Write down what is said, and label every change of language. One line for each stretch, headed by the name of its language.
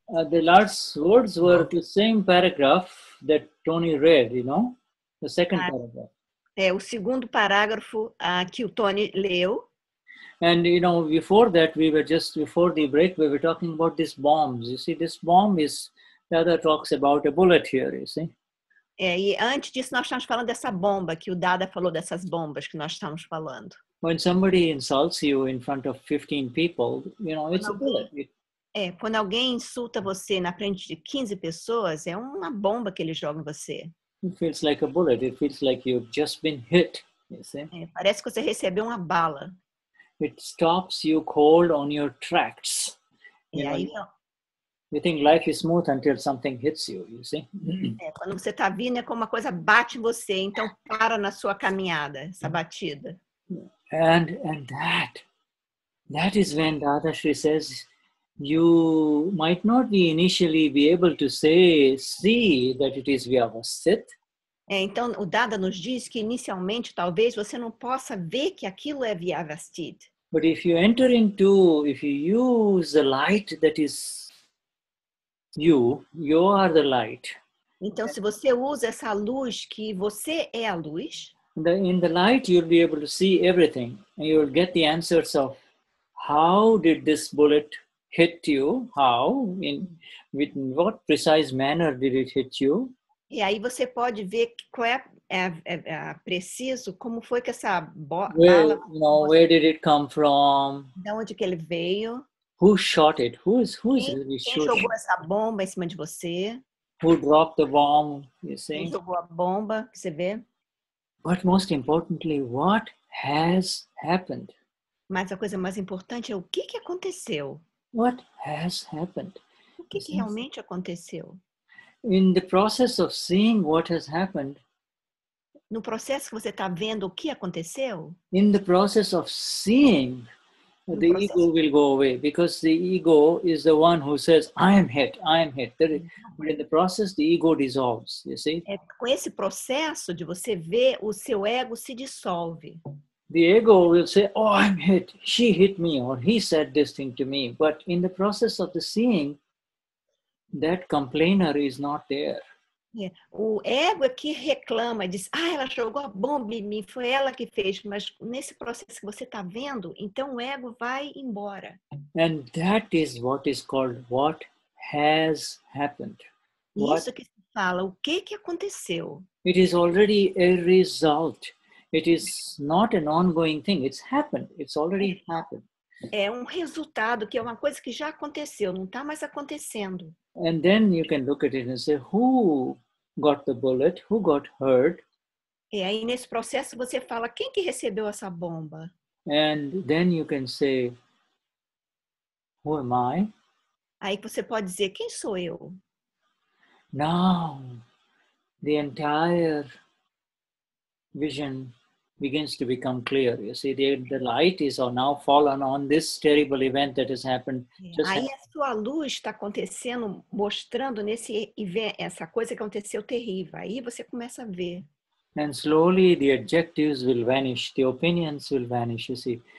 English: The last words were the same paragraph that Tony read, you know? The second paragraph.
Portuguese: É, o segundo parágrafo que o Tony leu.
English: And, you know, before that, we were just, before the break, we were talking about these bombs. You see, this bomb is, the other talks about a bullet here, you see?
Portuguese: É, e antes disso, nós estamos falando dessa bomba, que o Dada falou dessas bombas que nós estamos falando.
English: When somebody insults you in front of 15 people, you know, it's a bullet.
Portuguese: É, quando alguém insulta você na frente de 15 pessoas, é uma bomba que ele joga em você.
English: It feels like a bullet. It feels like you've just been hit. You see?
Portuguese: É, parece que você recebeu uma bala.
English: It stops you cold on your tracks.
Portuguese: E aí, ó.
English: You think life is smooth until something hits you, you see?
Portuguese: É, quando você tá vindo, é como uma coisa bate você, então para na sua caminhada, essa batida.
English: And that is when Dadashri says, you might not be initially be able to say, see that it is Vyavasthit.
Portuguese: É, então o Dada nos diz que inicialmente talvez você não possa ver que aquilo é Vyavasthit.
English: But if you enter into, if you use the light that is you are the light.
Portuguese: Então se você usa essa luz que você é a luz,
English: in the light you'll be able to see everything and you'll get the answers of how did this bullet hit you? How? In what precise manner did it hit you?
Portuguese: E aí você pode ver qual é preciso, como foi que essa bala...
English: Where did it come from?
Portuguese: De onde que ele veio?
English: Who shot it? Who is really
Portuguese: quem
English: shooting?
Portuguese: Quem jogou essa bomba em cima de você?
English: Who dropped the bomb, you see?
Portuguese: Quem jogou a bomba, que você vê?
English: But most importantly, what has happened?
Portuguese: Mas a coisa mais importante é o que que aconteceu?
English: What has happened?
Portuguese: O que que realmente aconteceu?
English: In the process of seeing what has happened.
Portuguese: No processo que você está vendo o que aconteceu?
English: In the process of seeing, the ego will go away because the ego is the one who says, I am hit. But in the process, the ego dissolves, you see?
Portuguese: É com esse processo de você ver o seu ego se dissolve.
English: The ego will say, oh, I'm hit. She hit me or he said this thing to me. But in the process of the seeing, that complainer is not there. Yeah.
Portuguese: O ego é que reclama, diz, ah, ela jogou a bomba em mim, foi ela que fez. Mas nesse processo que você está vendo, então o ego vai embora.
English: And that is what is called what has happened.
Portuguese: Isso que se fala, o que que aconteceu?
English: It is already a result. It is not an ongoing thing. It's happened. It's already happened.
Portuguese: É um resultado, que é uma coisa que já aconteceu, não está mais acontecendo.
English: And then you can look at it and say, who got the bullet? Who got hurt?
Portuguese: E aí nesse processo você fala, quem que recebeu essa bomba?
English: And then you can say, who am I?
Portuguese: Aí você pode dizer, quem sou eu?
English: Now, the entire vision begins to become clear. You see, the light is now fallen on this terrible event that has happened.
Portuguese: Just aí a sua luz está acontecendo, mostrando nesse evento, essa coisa que aconteceu terrível. Aí você começa a ver.
English: And slowly the adjectives will vanish, the opinions will vanish, you see.